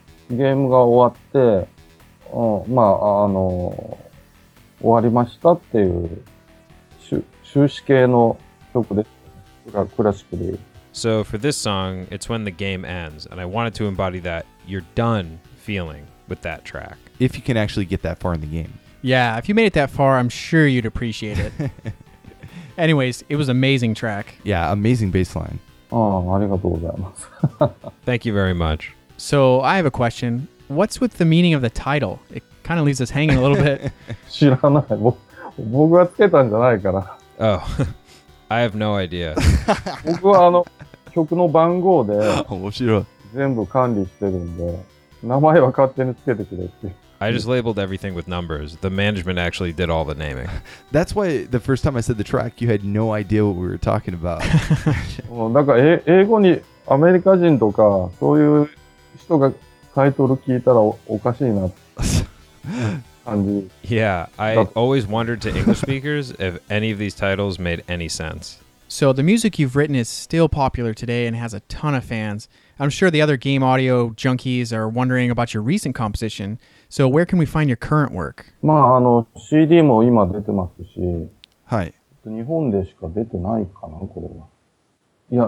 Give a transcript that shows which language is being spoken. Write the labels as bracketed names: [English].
[Japanese] ゲームが終わって、うん、まあ、終わりましたっていう、終止形の曲です。クラシックで言う。 [English] So for this song, it's when the game ends, and I wanted to embody that you're done feeling with that track. If you can actually get that far in the game. Yeah, if you made it that far, I'm sure you'd appreciate it. Anyways, it was an amazing track. Yeah, amazing bass line. [Japanese] ありがとうございます。 [English] Thank you very much. So, I have a question. What's with the meaning of the title? It kind of leaves us hanging a little bit. [Japanese] 知らない。僕がつけたんじゃないから。 Oh, I have no idea. 僕はあの曲の番号で面白い全部管理してるんで、名前は勝手につけてくれって。 [English] I just labeled everything with numbers. The management actually did all the naming. That's why the first time I said the track, you had no idea what we were talking about. [Japanese] だから英語にアメリカ人とかそういう人がタイトル聞いたらおかしいな感じ。 [English] Yeah, I always wondered to English speakers if any of these titles made any sense. So the music you've written is still popular today and has a ton of fans. I'm sure the other game audio junkies are wondering about your recent composition. So where can we find your current work? [Japanese] まあ、CD も今出てますし。はい。日本でしか出てないかな、これは。